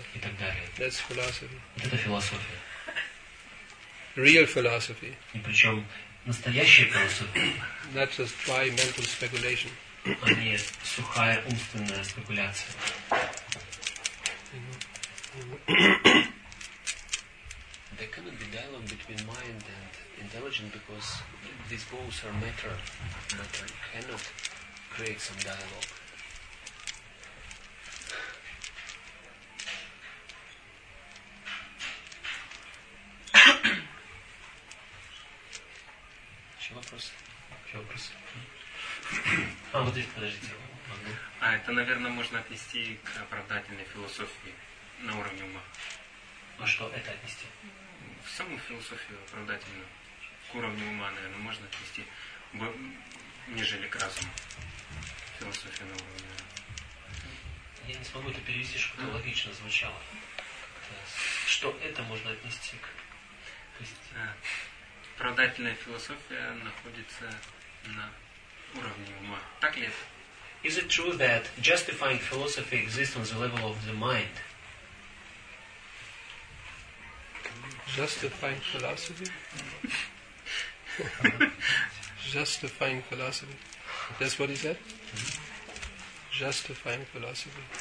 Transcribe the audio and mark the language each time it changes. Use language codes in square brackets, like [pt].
[ru] И так далее. [en] That's philosophy. [ru] Вот это философия. [en] Real philosophy. [ru] И причем настоящая философия. [en] Not just dry mental speculation. [ru] А не сухая умственная спекуляция. [en] There cannot be dialogue between mind and intelligence because these both are matter. Matter cannot create some dialogue. [ru] Еще вопрос? Еще вопрос? А вот здесь подождите. А это, наверное, можно отнести к оправдательной философии на уровне ума. Ну что, это отнести? В саму философию оправдательную, к уровню ума, наверное, можно отнести, нежели к разуму. Философия на уровне ума. Я не смогу это перевести, чтобы это логично звучало. Что это можно отнести к? Оправдательная философия находится на уровне ума. Так ли это? [en] Is it true that justifying philosophy exists on the level of the mind? Justifying philosophy? Justifying philosophy. That's what he said? Justifying philosophy.